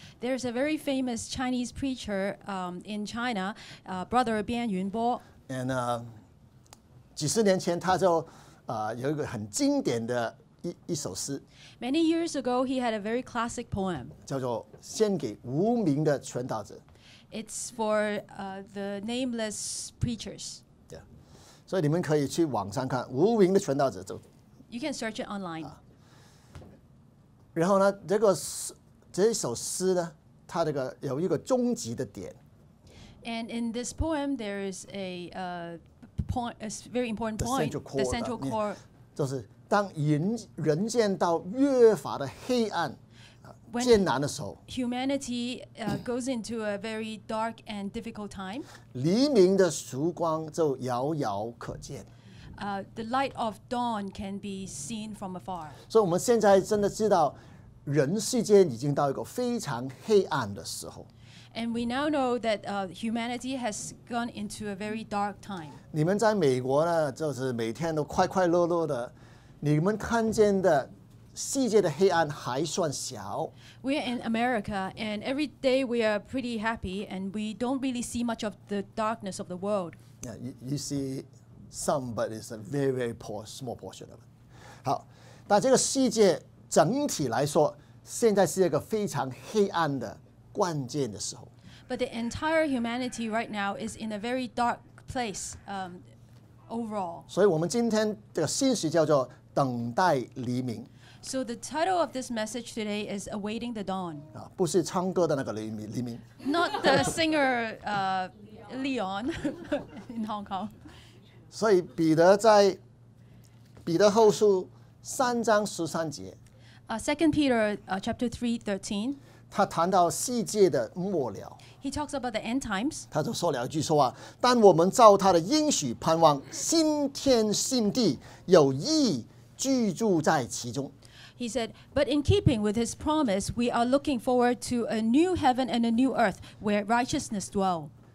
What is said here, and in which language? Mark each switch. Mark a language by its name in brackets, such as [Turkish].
[English] There's a very famous Chinese preacher in China, brother Bian Yunbo. And [Chinese] 几十年前他就有一个很经典的一首诗。 [English] Many years ago, he had a very classic poem. [Chinese] 叫做《献给无名的传道者》。 [English] It's for the nameless preachers. Yeah. [Chinese] 所以你们可以去网上看《无名的传道者》。 [English] You can search it online.、 [Chinese] 然后呢，这首诗呢，它这个有一个终极的点。 [English] And in this poem, there is a very important point. The central core. [Chinese] 就是当人见到越发的黑暗。 [English] When、 [Chinese] 艰难的时候 [English] ，humanity goes into a very dark and difficult time. [Chinese] 黎明的曙光就遥遥可见。 [English] The light of dawn can be seen from afar. [Chinese] 所以我们现在真的知道，人世间已经到一个非常黑暗的时候。 [English] And we now know that humanity has gone into a very dark time. [Chinese] 你们在美国呢，就是每天都快快乐乐的，你们看见的。世界的黑暗还算小。 [English] We are in America, and every day we are pretty happy, and we don't really see much of the darkness of the world. Yeah, you see some, but it's a very, very poor, small portion of it. [Chinese] 好，但这个世界整体来说，现在是一个非常黑暗的关键的时候。 [English] But the entire humanity right now is in a very dark place, overall. [Chinese] 所以我们今天这个信息叫做“等待黎明”。 [English] So the title of this message today is Awaiting the Dawn. [Chinese] 不是唱歌的那个黎明。 [English] Not the singer Leon in Hong Kong. [Chinese] 所以彼得在彼得后书三章十三节。 [English] Second Peter chapter 3:13. [Chinese] 他谈到世界的末了。 [English] He talks about the end times. [Chinese] 他就说了一句说话，但我们照他的应许盼望新天新地，有义居住在其中。 [English] He said, but in keeping with his promise, we are looking forward to a new heaven and a new earth where righteousness dwells.